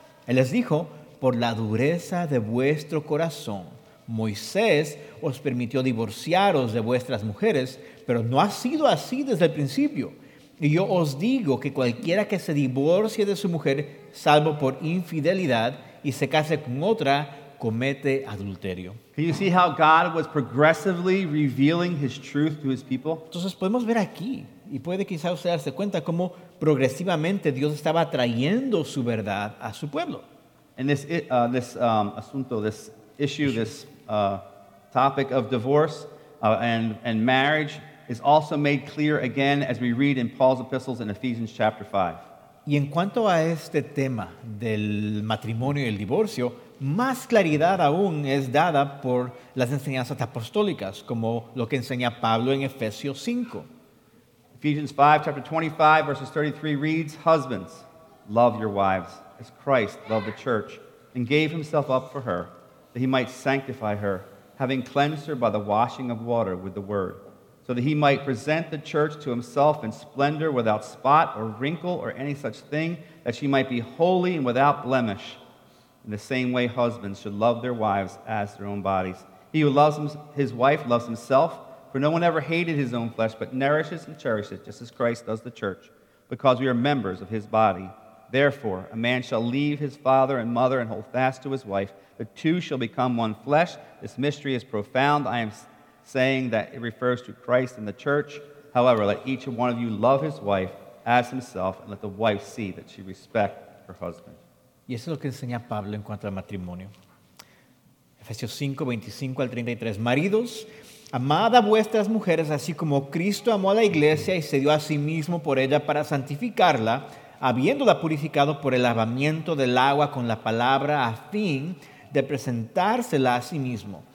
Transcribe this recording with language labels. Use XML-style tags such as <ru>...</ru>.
<es>Él les dijo, por la dureza de vuestro corazón, Moisés os permitió divorciaros de vuestras mujeres, pero no ha sido así desde el principio. Y yo os digo que cualquiera que se divorcie de su mujer, salvo por infidelidad, y se case con otra, comete adulterio.</es> <en>Can you see how God was progressively revealing his truth to his people?</en> <es>Entonces podemos ver aquí, y puede quizá usted darse cuenta cómo progresivamente Dios estaba trayendo su verdad a su pueblo.</es> <en>And this topic of divorce and marriage is also made clear again as we read in Paul's epistles in Ephesians chapter 5.</en> <es>Y en cuanto a este tema del matrimonio y el divorcio, más claridad aún es dada por las enseñanzas apostólicas, como lo que enseña Pablo en Efesios 5.</es> <en>Ephesians 5, chapter 25, verses 33 reads, "Husbands, love your wives, as Christ loved the church, and gave himself up for her, that he might sanctify her, having cleansed her by the washing of water with the word, so that he might present the church to himself in splendor without spot or wrinkle or any such thing, that she might be holy and without blemish. In the same way, husbands should love their wives as their own bodies. He who loves his wife loves himself, for no one ever hated his own flesh, but nourishes and cherishes, just as Christ does the church, because we are members of his body. Therefore, a man shall leave his father and mother and hold fast to his wife. The two shall become one flesh. This mystery is profound. I am saying that it refers to Christ and the church. However, let each one of you love his wife as himself, and let the wife see that she respect her husband."</en> <es>Y eso es lo que enseña Pablo en cuanto al matrimonio. Efesios 5, 25 al 33. Maridos, amad a vuestras mujeres así como Cristo amó a la iglesia y se dio a sí mismo por ella para santificarla, habiéndola purificado por el lavamiento del agua con la palabra a fin de presentársela a sí mismo.</es>